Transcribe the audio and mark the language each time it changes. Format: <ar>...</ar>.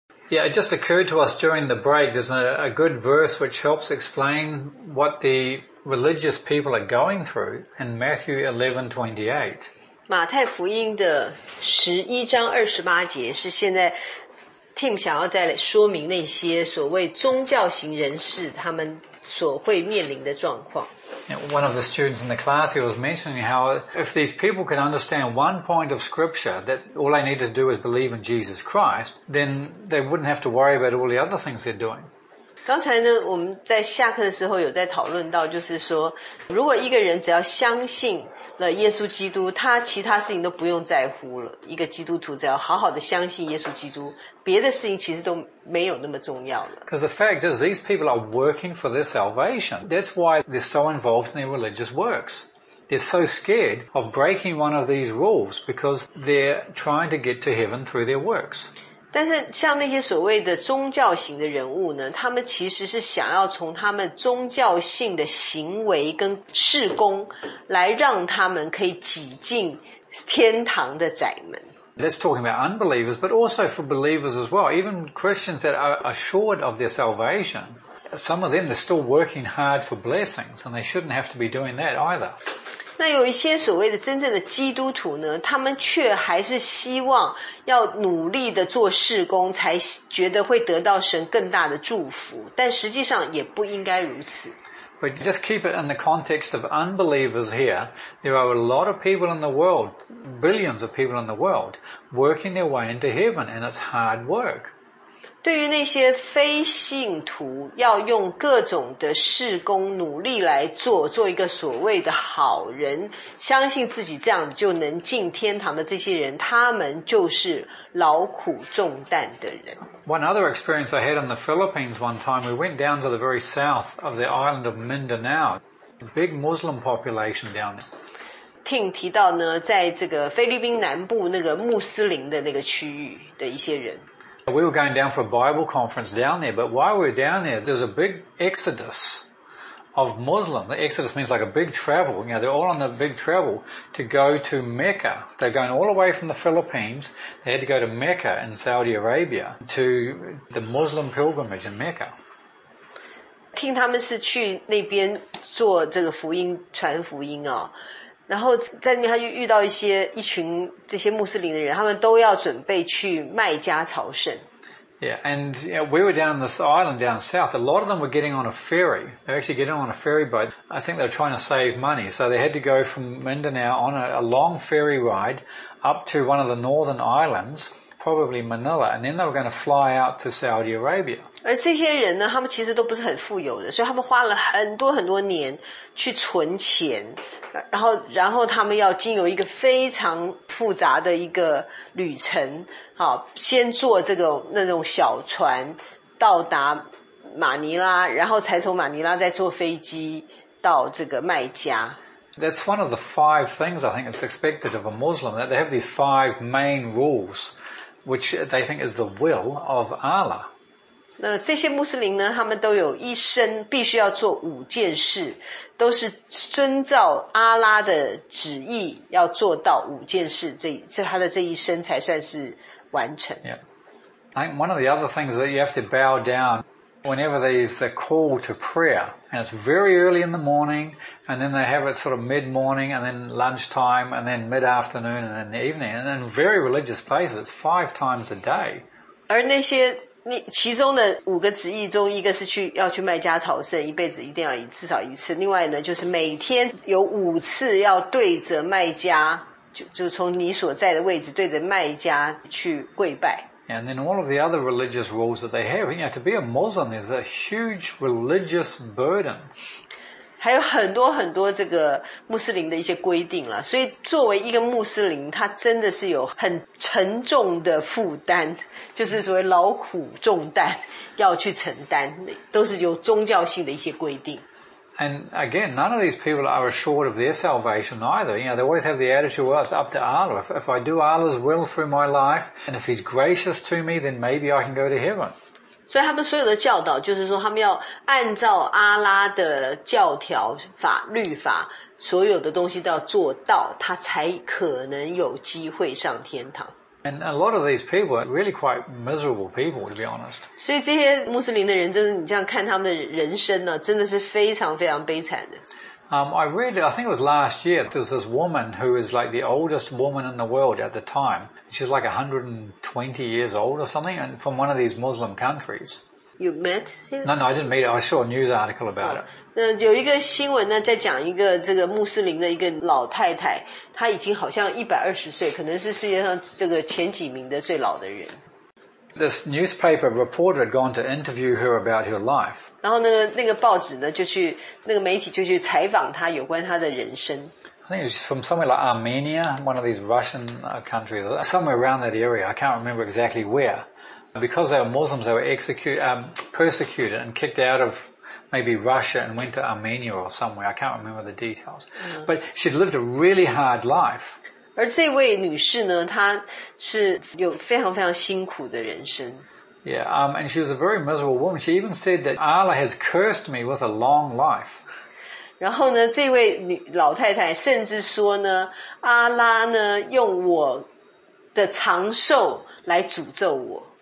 <en>Yeah, it just occurred to us during the break, there's a good verse which helps explain what the religious people are going through in Matthew 11:28.</en> <zh>马太福音的11章28节是现在 Tim 想要再来说明那些所谓宗教型人士他们所会面临的状况。</zh> <en>One of the students in the class, he was mentioning how if these people can understand one point of scripture, that all they needed to do is believe in Jesus Christ, then they wouldn't have to worry about all the other things they're doing.</en> <zh>刚才呢我们在下课的时候有在讨论到，就是说如果一个人只要相信了耶稣基督，他其他事情都不用在乎了。一个基督徒只要好好的相信耶稣基督，别的事情其实都没有那么重要了。</zh> <en>Because the fact is, these people are working for their salvation. That's why they're so involved in their religious works. They're so scared of breaking one of these rules because they're trying to get to heaven through their works.</en> <zh>但是像那些所谓的宗教型的人物呢，他们其实是想要从他们宗教性的行为跟事工来让他们可以挤进天堂的窄门。</zh> <en>That's talking about unbelievers, but also for believers as well. Even Christians that are assured of their salvation, some of them, they're still working hard for blessings, and they shouldn't have to be doing that either.</en> <zh>那有一些所谓的真正的基督徒呢，他们却还是希望要努力的做事工，才觉得会得到神更大的祝福，但实际上也不应该如此。</zh> <en>But just keep it in the context of unbelievers here. There are a lot of people in the world, billions of people in the world, working their way into heaven, and it's hard work.</en> <zh>对于那些非信徒，要用各种的事工努力来做，做一个所谓的好人，相信自己这样就能进天堂的这些人，他们就是劳苦重担的人。</zh> <en>One other experience I had in the Philippines one time, we went down to the very south of the island of Mindanao, a big Muslim population down there.</en> <zh>Tim 提到呢，在这个菲律宾南部那个穆斯林的那个区域的一些人。</zh> <en>We were going down for a Bible conference down there, but while we were down there, there was a big exodus of Muslim. The exodus means like a big travel. You know, they're all on the big travel to go to Mecca. They're going all the way from the Philippines. They had to go to Mecca in Saudi Arabia to the Muslim pilgrimage in Mecca.</en> <zh>听他们是去那边做这个福音传福音啊、哦。然后在那边他就遇到一群这些穆斯林的人，他们都要准备去麦加朝圣。</zh> <en>Yeah, and you know, we were down this island down south. A lot of them were getting on a ferry. They're actually getting on a ferry boat. I think they're trying to save money. So they had to go from Mindanao on a long ferry ride up to one of the northern islands, probably Manila, and then they were going to fly out to Saudi Arabia.</en> <zh>而这些人呢，他们其实都不是很富有的，所以他们花了很多很多年去存钱。然后他们要经由一个非常复杂的一个旅程，好，先坐这个那种小船到达马尼拉，然后才从马尼拉再坐飞机到这个麦加。</zh> <en>That's one of the five things I think is expected of a Muslim, that they have these five main rules, which they think is the will of Allah.</en> <zh>那这些穆斯林呢，他们都有一生必须要做五件事，都是遵照阿拉的旨意要做到五件事，这他的这一生才算是完成。</zh> <en>Yeah. I think one of the other things that you have to bow down whenever there is the call to prayer, and it's very early in the morning, and then they have it sort of mid-morning, and then lunchtime, and then mid-afternoon, and then the evening, and in very religious places, five times a day.</en> <zh>而那些其中的五个旨意中，一个是去要去麦加朝圣，一辈子一定要至少一次。另外呢，就是每天有五次要对着麦加，就从你所在的位置对着麦加去跪拜。</zh> <en>And then all of the other religious rules that they have, you know, to be a Muslim is a huge religious burden.</en> <zh>还有很多很多这个穆斯林的一些规定啦，所以作为一个穆斯林，他真的是有很沉重的负担。就是所谓劳苦重担要去承担，都是有宗教性的一些规定。</zh> <en>And again, none of these people are assured of their salvation either. You know, they always have the attitude, well, it's up to Allah. If I do Allah's will through my life, and if He's gracious to me, then maybe I can go to heaven.</en> <zh>所以他们所有的教导就是说，他们要按照阿拉的教条、法、律法，所有的东西都要做到，他才可能有机会上天堂。</zh> <en>And a lot of these people are really quite miserable people, to be honest.</en> <zh>所以这些穆斯林的人，真的，你这样看他们的人生呢，真的是非常非常悲惨的。</zh> <en>I read, I think it was last year, there was this woman who is like the oldest woman in the world at the time. She's like 120 years old or something, and from one of these Muslim countries. You met him? No, I didn't meet her. I saw a news article about it.</en> <zh>那有一个新闻呢，在讲一个这个穆斯林的一个老太太，她已经好像120岁，可能是世界上这个前几名的最老的人。</zh> <en>This newspaper reporter had gone to interview her about her life.</en> <zh>然后那个报纸呢，就去那个媒体就去采访她有关她的人生。</zh> <en>I think it's from somewhere like Armenia, one of these Russian countries, somewhere around that area. I can't remember exactly where. Because they were Muslims, they were persecuted and kicked out of maybe Russia and went to Armenia or somewhere. I can't remember the details. But she'd lived a really hard life.</en> <zh>而这位女士呢，她是有非常非常辛苦的人生。</zh> <en>Yeah, and she was a very miserable woman. She even said that Allah has cursed me with a long life.</en> <zh>然后呢，这位女老太太甚至说呢，阿拉呢用我的长寿来诅咒我。</zh>